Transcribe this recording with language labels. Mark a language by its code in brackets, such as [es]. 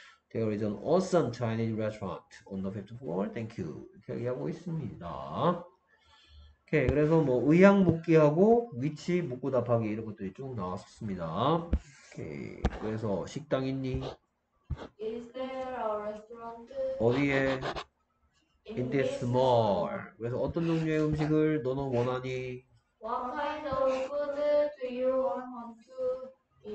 [en] There is an awesome Chinese restaurant on the fifth floor. Thank you. [ko] 이렇게 얘기하고 있습니다. 오케이. 그래서 뭐, 의향 묻기하고 위치 묻고 답하기 이런 것들이 쭉 나왔었습니다. 오케이. 그래서 식당 있니? [en] Is there a restaurant [ko] 어디에? [en] In this in this mall. mall? [ko] 그래서 어떤 종류의 음식을 너는 원하니? [en] What kind of food do you want to